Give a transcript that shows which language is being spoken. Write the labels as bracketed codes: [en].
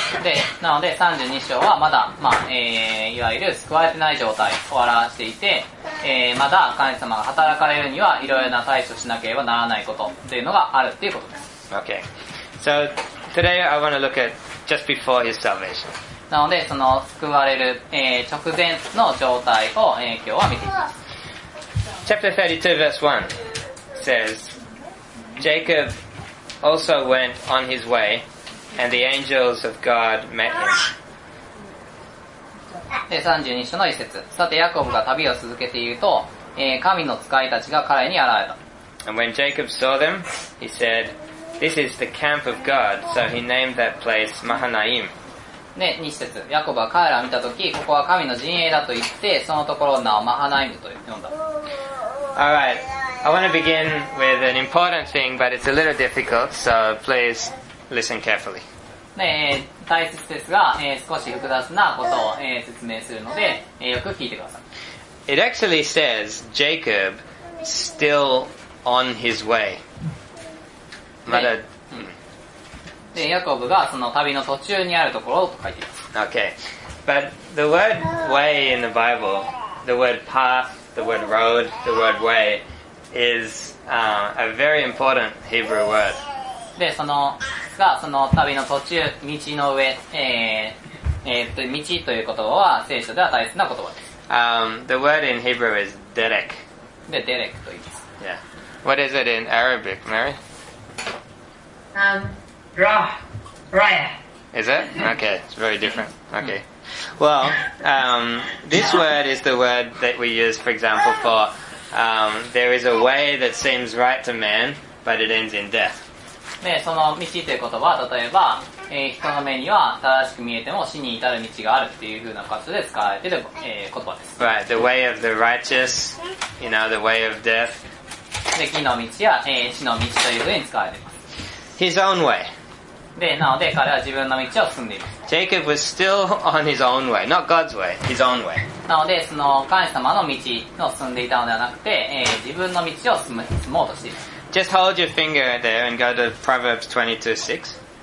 [ja] で、なので32章はまだ、まあ、いわゆる救われてない状態を表していて、まだ神様が働かれるにはいろいろな対処しなければならないことというのがあるっていうことです。 [en] Okay. So today I want to look at just before his salvation. [ja] なので、その救われる、直前の状態を、今日は見ていきます。 [en] Chapter 32 verse 1 says, Jacob also went on his way. And the angels of God met him. [ja] で、32章の一節。さて、ヤコブが旅を続けていると、神の使いたちが彼に現れた。 [en] And when Jacob saw them, he said, This is the camp of God. So he named that place Mahanaim. [ja] で、二節。ヤコブは彼らを見たとき、ここは神の陣営だと言って、そのところを名をマハナイムと呼んだ。 [en] Alright. I want to begin with an important thing, but it's a little difficult, so please listen carefully. [ja] で、大切ですが、少し複雑なことを、説明するので、よく聞いてください。 [en] It actually says Jacob still on his way. [ja] まだ、で、ヤコブがその旅の途中にあるところと書いています。 [en] Okay. But the word way in the Bible, the word path, the word road, the word way, is a very important Hebrew word. [ja] で、その、がその旅の途中、道の上、道という言葉は聖書では大切な言葉です。 [en] The word in Hebrew is derek. [ja] で、derek と言います。 [en] Yeah. What is it in Arabic, Mary? Raya. Is it? Okay, it's very different. Okay. Well, this word is the word that we use, for example, for there is a way that seems right to man, but it ends in death. [ja] で、その道という言葉は、例えば、人の目には正しく見えても死に至る道があるっていう風な形で使われている、言葉です。 [en] Right, the way of the righteous, you know, the way of death. [ja] で、義の道や、死の道という風に使われています。 [en] His own way. [ja] で、なので彼は自分の道を進んでいます。 [en] Jacob was still on his own way, not God's way, his own way. [ja] なので、その神様の道を進んでいたのではなくて、自分の道を進もうとしています。 [en] Just hold your finger there and go to Proverbs 22:6.